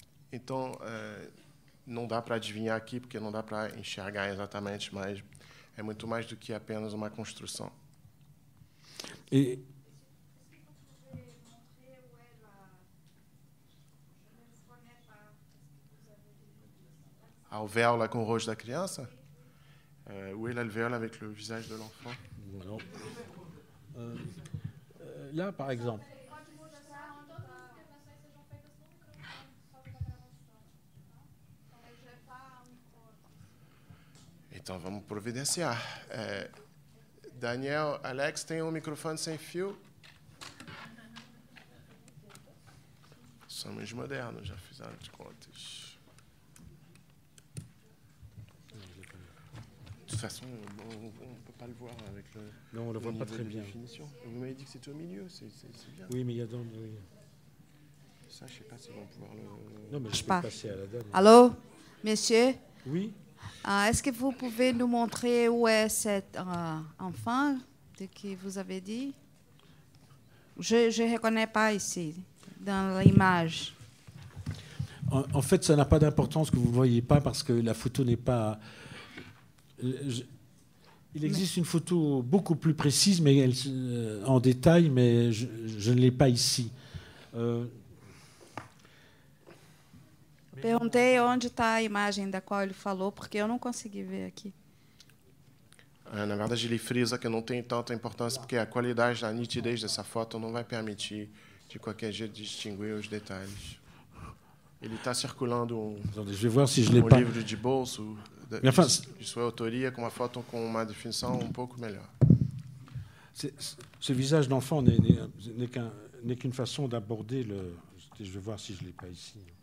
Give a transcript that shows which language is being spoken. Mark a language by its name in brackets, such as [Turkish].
[Portuguese] Então, não dá para adivinhar aqui, porque não dá para enxergar exatamente, mas é muito mais do que apenas uma construção. E... A alvéola com o rosto da criança? [French] Où est l'alvéola avec le visage de l'enfant? Là, par exemple. [Portuguese] Então vamos providenciar. Daniel, Alex, tem um microfone sem fio? Somos modernos, já fizeram de contas. [French] De toute façon, on peut pas le voir avec le. Non, on le voit pas très bien. Vous m'avez dit que c'était au milieu, c'est bien. Oui, mais il y a dans. Oui. Ça, je sais pas si on va pouvoir le. Non, mais je peux passer à la dame. Allô, monsieur? Oui. Est-ce que vous pouvez nous montrer où est cet enfant de qui vous avez dit? Je ne reconnais pas ici, dans l'image. En fait, ça n'a pas d'importance que vous ne voyez pas, parce que la photo n'est pas... Il existe une photo beaucoup plus précise, mais elle, en détail, mais je ne l'ai pas ici. [Portuguese] Perguntei onde está a imagem da qual ele falou, porque eu não consegui ver aqui. Na verdade, ele frisa que não tem tanta importância, porque a qualidade, a nitidez dessa foto não vai permitir, de qualquer jeito, distinguir os detalhes. Ele está circulando um livro de bolso de sua autoria, com uma foto com uma definição um pouco melhor. [French] Ce visage d'enfant n'est qu'une façon d'aborder le. Je vais voir si je ne l'ai pas ici.